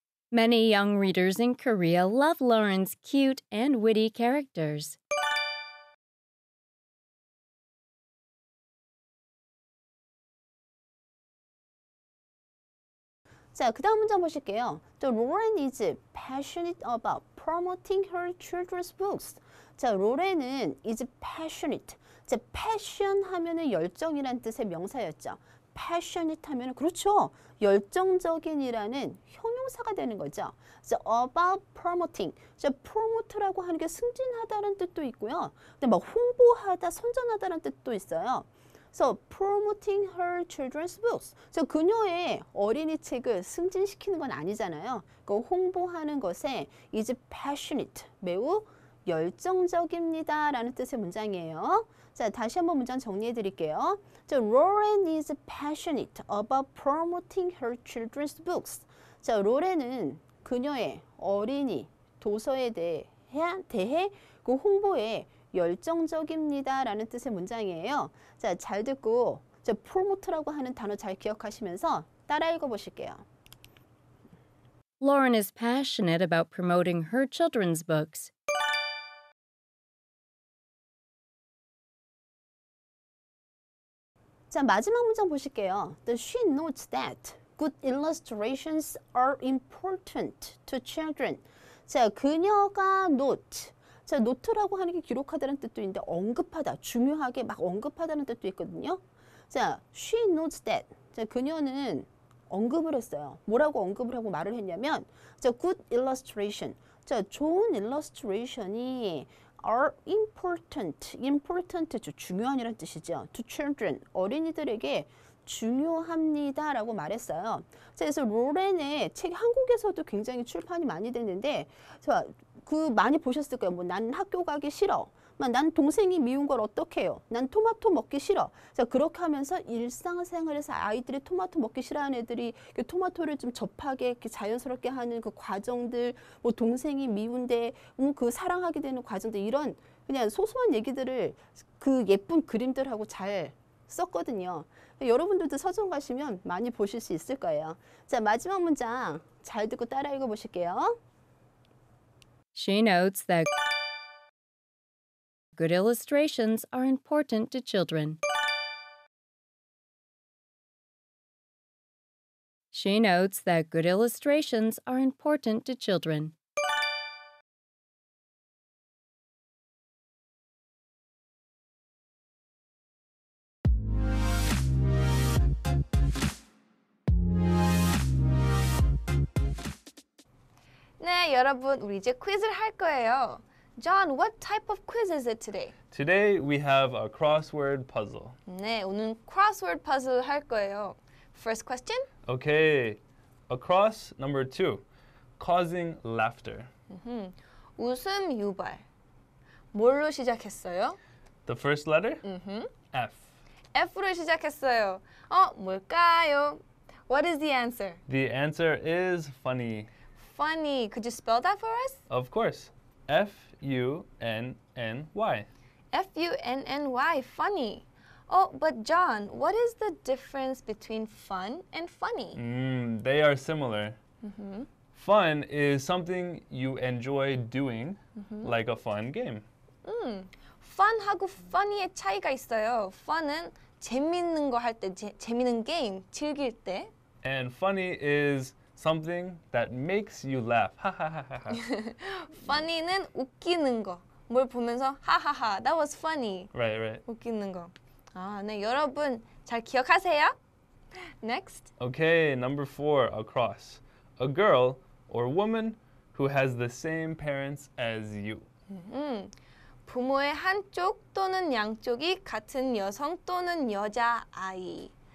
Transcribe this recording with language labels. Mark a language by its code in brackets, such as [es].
[en] Many young readers in Korea love Lauren's cute and witty characters. [ko] So, 그 다음 문장 보실게요. [en] So, Lauren is passionate about promoting her children's books. [ko] 자, 로렌은 [en] is passionate. [ko] 자, passion 하면은 열정이란 뜻의 명사였죠. passionate 하면은 그렇죠. 열정적인이라는 형용사가 되는 거죠. [en] So about promoting. [ko] 자, promote라고 하는 게 승진하다라는 뜻도 있고요. 근데 막 홍보하다, 선전하다라는 뜻도 있어요. [en] So promoting her children's books. [ko] 자, 그녀의 어린이 책을 승진시키는 건 아니잖아요. 그 홍보하는 것에 [en] is passionate. [ko] 매우 열정적입니다 라는 뜻의 문장이에요. 자, 다시 한번 문장 정리해 드릴게요. [en] So, Lauren is passionate about promoting her children's books. [ko] 자, 로렌은 그녀의 어린이 도서에 대해 그 홍보에 열정적입니다 라는 뜻의 문장이에요. 자, 잘 듣고 자, promote라고 하는 단어 잘 기억하시면서 따라 읽어 보실게요. [en] Lauren is passionate about promoting her children's books. The she notes that good illustrations are important to children. [ko] 자, 그녀가 note. 자, note라고 하는 게 기록하다는 뜻도 있는데 언급하다, 중요하게 막 언급하다는 뜻도 있거든요. [en] 자, she notes that. [ko] 자, 그녀는 언급을 했어요. 뭐라고 언급을 하고 말을 했냐면 자, [en] good illustration. [ko] 자, 좋은 illustration이 [en] are important, important [ko] 죠. 중요한이란 뜻이죠. [en] To children, [ko] 어린이들에게 중요합니다 라고 말했어요. 자, 그래서 로렌의 책 한국에서도 굉장히 출판이 많이 됐는데 자, 그 많이 보셨을 거예요. 뭐 난 학교 가기 싫어. 난 동생이 미운 걸 어떻게 해요? 난 토마토 먹기 싫어. 자, 그렇게 하면서 일상생활에서 아이들이 토마토 먹기 싫어하는 애들이 그 토마토를 좀 접하게 이렇게 자연스럽게 하는 그 과정들, 뭐 동생이 미운데 그 사랑하게 되는 과정들 이런 그냥 소소한 얘기들을 그 예쁜 그림들하고 잘 썼거든요. 여러분들도 서점 가시면 많이 보실 수 있을 거예요. 자, 마지막 문장 잘 듣고 따라 읽어보실게요. [en] She notes that good illustrations are important to children. She notes that good illustrations are important to children. [ko] 네, 여러분, 우리 이제 퀴즈를 할 거예요. [en] John, what type of quiz is it today? Today we have a crossword puzzle. [ko] 네, 오늘 crossword puzzle 할 거예요. [en] First question? Okay, across number two, causing laughter. [ko] Mm-hmm. 웃음 유발. 뭘로 시작했어요? [en] The first letter? [ko] Mm-hmm. F. F로 시작했어요. 어, 뭘까요? [en] What is the answer? The answer is funny. Funny. Could you spell that for us? Of course. F-U-N-N-Y. F-U-N-N-Y, funny. Oh, but John, what is the difference between fun and funny? They are similar. Mm-hmm. Fun is something you enjoy doing, mm-hmm. like a fun game. [ko] Fun하고 funny의 차이가 있어요. Fun은 재밌는 거 할 때, 재밌는 게임, 즐길 때. [en] And funny is something that makes you laugh. Ha ha ha. [ko] Funny는 웃기는 거. 뭘 보면서 하하하, [en] that was funny. Right, right. [ko] 웃기는 거. 아, 네, 여러분 잘 기억하세요. [en] Next. Okay, number four, across. A girl or woman who has the same parents as you. [ko] 부모의 한쪽 또는 양쪽이 같은 여성 또는 여자 아이.